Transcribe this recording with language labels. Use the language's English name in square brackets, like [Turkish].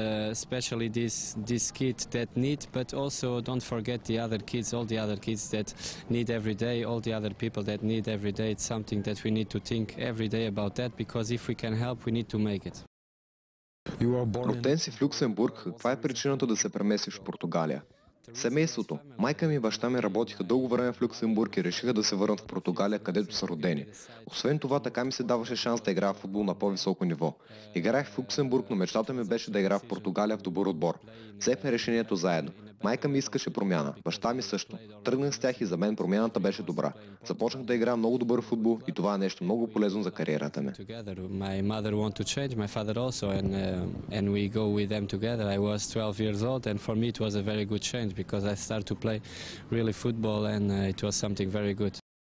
[English] That need, but also don't forget the other kids, all the other kids that need every day, all the other people that need every day. It's something that we need to think every day about that, because if we can help, we need to make it. [Bulgarian] Роден си в Люксембург, каква е причината да се преместиш в Португалия? Семейството. Майка ми и баща ми работиха дълго време в Люксембург и решиха да се върнат в Португалия, където са родени. Освен това, така ми се даваше шанс да играя в футбол на по-високо ниво. Играх в Люксембург, но мечтата ми беше да играя в Португалия в добър отбор. Взехме решението заедно. Майка ми искаше промяна, баща ми също. Тръгнах с тях и за мен промяната беше добра. Започнах да играя много добър футбол и това е нещо много полезно за кариерата ми. [English] My mother want to change, my father also, and we go with them together. I was 12 years old and for me it was a very good change because I start to play really football and it was something very good.